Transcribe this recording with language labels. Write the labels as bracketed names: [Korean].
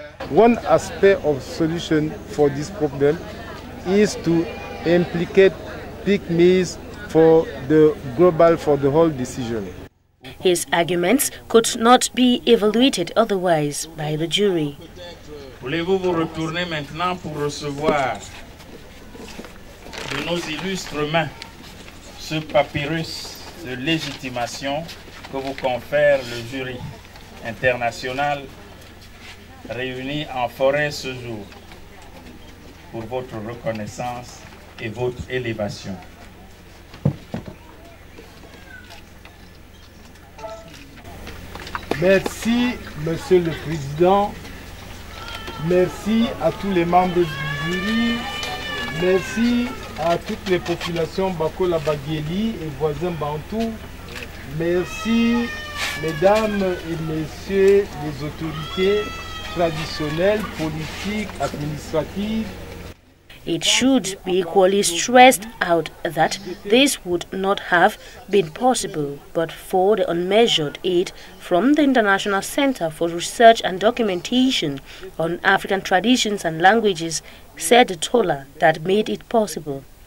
[English] One aspect of solution for this problem is to implicate pygmies for the global, for the whole decision. His arguments could not be evaluated otherwise by the jury. [French] Voulez-vous vous retourner maintenant pour recevoir de nos illustres mains ce papyrus de légitimation que vous confère le jury international réunis en forêt ce jour pour votre reconnaissance et votre élévation. Merci, Monsieur le Président. Merci à tous les membres du jury. Merci à toutes les populations Bakola, Bagueli et voisins Bantou. Merci, Mesdames et Messieurs les autorités traditionnelles, politiques, administratives. [English] It should be equally stressed out that this would not have been possible but for the unmeasured aid from the International Center for Research and Documentation on African Traditions and Languages, Cerdotola, that made it possible.